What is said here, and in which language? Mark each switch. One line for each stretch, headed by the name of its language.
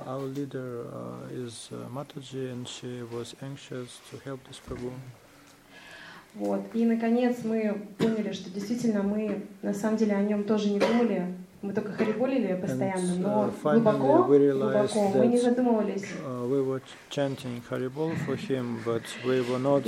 English: Our leader is Матаджи, and she was anxious to help this Prabhu.
Russian: Вот. И наконец мы поняли, что действительно мы на самом деле о нем тоже не думали. Мы только хариболили постоянно, но глубоко мы не задумывались.
English: We were chanting Haribol for him, but we were not